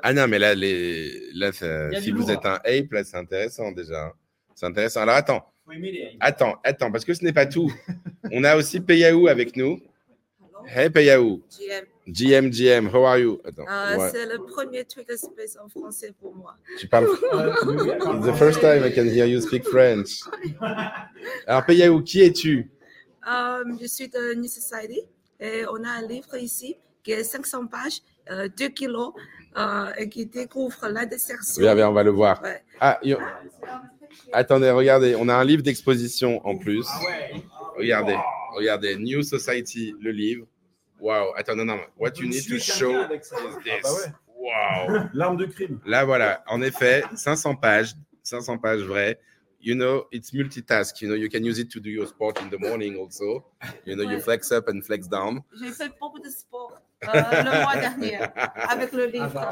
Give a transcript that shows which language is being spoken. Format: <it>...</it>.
<fr>Ah non, mais là, ça, si vous êtes un ape, là, c'est intéressant déjà. C'est intéressant. Alors attends. Attends, parce que ce n'est pas tout. On a aussi Payaou avec nous. Hey Payaou.</fr> <en>GM, how are you?</en> <fr>Attends, ouais. C'est le premier Twitter Space en français pour moi. Tu parles</fr> <en>the first time I can hear you speak French.</en> <fr>Alors Payaou, qui es-tu? Je suis de New Society et on a un livre ici qui est 500 pages, 2 kilos et qui découvre la dissertation. Bien, on va le voir. Ouais. Ah, attendez, regardez, on a un livre d'exposition en plus. Regardez, regardez, New Society, le livre. Waouh, attends, non,</fr> <en>what you need to show is this. Wow.</en> <fr>L'arme de crime. Là, voilà, en effet, 500 pages vraies.</fr> <en>You know, it's multitask. You know, you can use it to do your sport in the morning also. You know, you flex up and flex down.</en> <fr>J'ai fait beaucoup de sport le mois dernier avec le livre.</fr>